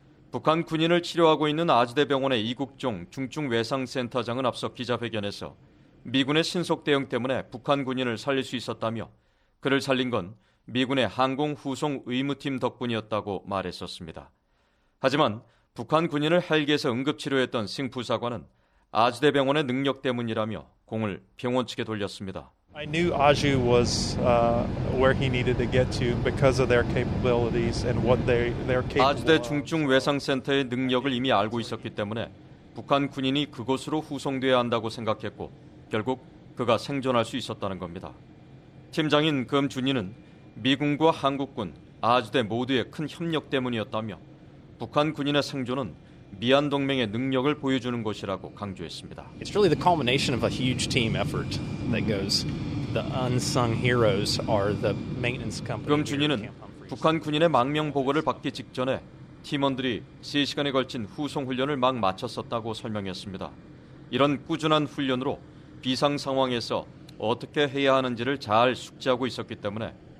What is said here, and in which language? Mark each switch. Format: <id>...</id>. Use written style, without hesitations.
<ko>북한 군인을 치료하고 있는 아주대 병원의 이국종 중증외상센터장은 앞서 기자회견에서 미군의 신속 대응 때문에 북한 군인을 살릴 수 있었다며 그를 살린 건 미군의 항공 후송 의무팀 덕분이었다고 말했었습니다. 하지만 북한 군인을 헬기에서 응급치료했던 싱 부사관은 아주대 병원의 능력 때문이라며 공을 병원 측에 돌렸습니다.</ko> <en>I knew Aju was where he needed to get to because of their capabilities and what they're capable.</en> <ko>아주대 중증외상센터의 능력을 이미 알고 있었기 때문에 북한 군인이 그곳으로 후송돼야 한다고 생각했고 결국 그가 생존할 수 있었다는 겁니다. 팀장인 금준이는 미군과 한국군, 아주대 모두의 큰 협력 때문이었다며 북한 군인의 생존은 미한 동맹의 능력을 보여주는 것이라고 강조했습니다.</ko> <en>It's really the culmination of a huge team effort that goes. The unsung heroes are the maintenance company.</en> <ko>금준이는 북한 군인의 망명 보고를 받기 직전에 팀원들이 3시간에 걸친 후송 훈련을 막 마쳤었다고 설명했습니다. 이런 꾸준한 훈련으로 비상 상황에서 어떻게 해야 하는지를 잘 숙지하고 있었기 때문에</ko>